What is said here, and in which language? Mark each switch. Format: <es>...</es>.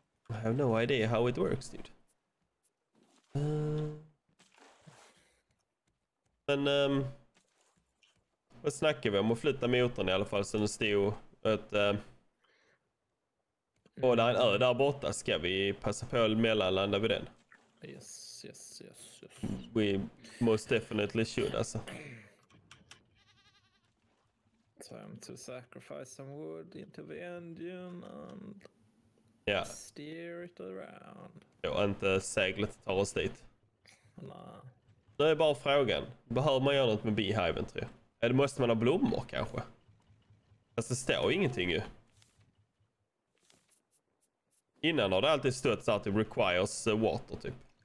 <en>I have no idea how it works, dude.</en> <sv>Men vad snackar vi om att flytta motorn i alla fall sen det stod att och där en ö där borta, ska vi passa på att mellanlanda vid den?</sv> <en>Yes, yes, yes, yes. We most definitely should, alltså. Time to sacrifice some wood into the engine and yeah. Steer it around.</en> <sv>Jo, inte seglet tar oss dit.</sv> <en>Nah.</en> <sv>Nu är bara frågan, behöver man göra något med beehiven, tror jag? Eller måste man ha blommor, kanske? Fast det står ingenting ju. Innan har det alltid stött så att det</sv> <en>requires water,</en> <sv>typ.</sv>